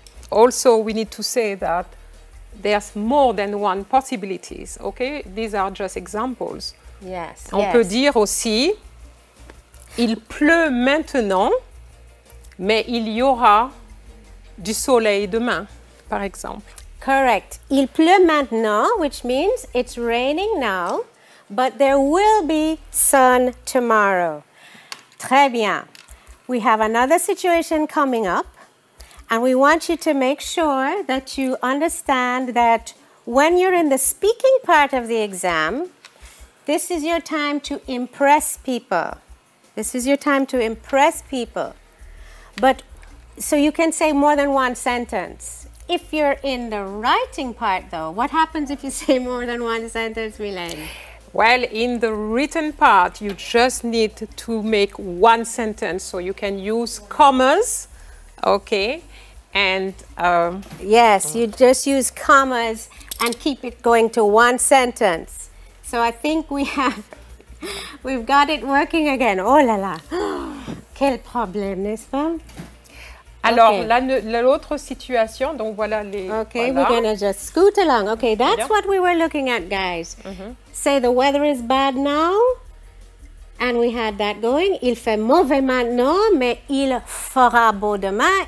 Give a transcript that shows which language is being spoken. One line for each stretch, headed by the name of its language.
English: Also we need to say that there's more than one possibilities. Okay? These are just examples. Yes.
French: On peut dire aussi, il pleut maintenant, mais il y aura du soleil demain, par exemple.
English: Correct.
French: Il pleut maintenant,
English: which means it's raining now, but there will be sun tomorrow.
French: Très bien.
English: We have another situation coming up, and we want you to make sure that you understand that when you're in the speaking part of the exam, this is your time to impress people. This is your time to impress people. But so you can say more than one sentence. If you're in the writing part though, what happens if you say more than one sentence, Mylène? Well, in the written part, you just need to make one sentence. So you can use commas, okay? And yes, you just use commas and keep it going to one sentence. So I think we've got it working again.
French: Oh là là, quel problème, n'est-ce pas? Alors, l'autre situation, donc voilà les...
English: Okay,
French: voilà.
English: We're going to just scoot along. Okay, that's what we were looking at, guys. Mm-hmm. Say the weather is bad now, and we had that going.
French: Il fait mauvais maintenant, mais il fera beau demain.